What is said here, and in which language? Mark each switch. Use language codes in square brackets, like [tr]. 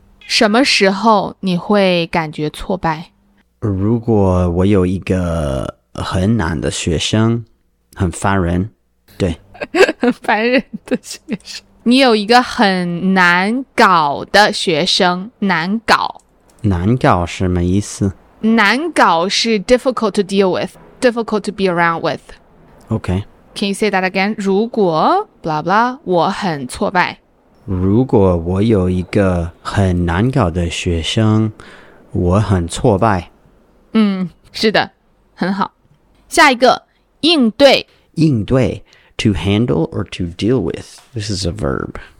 [zh] 什么时候你会感觉挫败？如果我有一个很难的学生，很烦人，对。很烦人的学生。你有一个很难搞的学生，难搞。难搞什么意思？ [en] 难搞是 difficult to deal with, difficult to be around with. Okay. Can you say that again? [zh] 如果 blah blah, 我很挫败。如果我有一个很难搞的学生，我很挫败。嗯，是的，很好。下一个，应对。 [en] 应对 ,to handle or to deal with. This is a verb.